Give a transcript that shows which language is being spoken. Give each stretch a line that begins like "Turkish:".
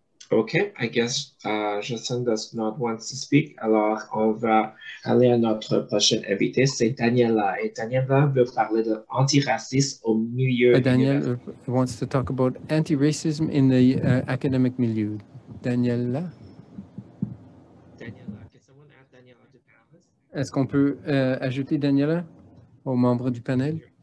English: Okay, I guess Jacinthe does not want to speak.
French: Alors, on va aller à notre prochaine invitée, c'est Daniela. Et Daniela veut parler de anti-racisme au milieu.
English: Daniela wants to talk about anti-racism in the academic milieu. Daniela? Daniela, can someone add Daniela to the panel?
French: Est-ce qu'on peut ajouter Daniela aux membres du panel?